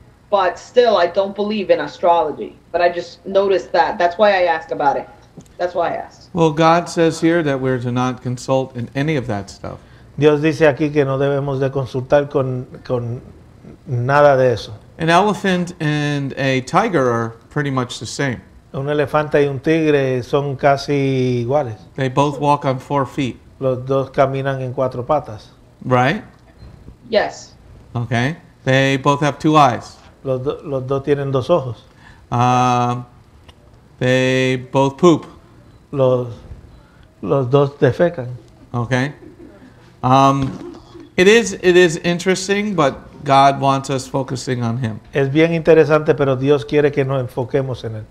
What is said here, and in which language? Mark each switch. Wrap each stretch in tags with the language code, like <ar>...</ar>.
<en>But still, I don't believe in astrology, but I just noticed that. That's why I asked about it. That's why I asked. Well, God says here that we're to not consult in any of that stuff.</en> <es>Dios dice aquí que no debemos de consultar con nada de eso.</es> <en>An elephant and a tiger are pretty much the same.</en> <es>Un elefante y un tigre son casi iguales.</es> <en>They both walk on 4 feet.</en> <es>Los dos caminan en cuatro patas.</es> <en>Right? Yes. Okay. They both have 2 eyes.</en> <es>Los dos tienen dos ojos.</es> <en>They both poop.</en> <es>Los dos defecan.</es> <en>Okay. It is interesting, but God wants us focusing on Him.</en> <es>Es bien interesante, pero Dios quiere que nos enfoquemos en él.</es>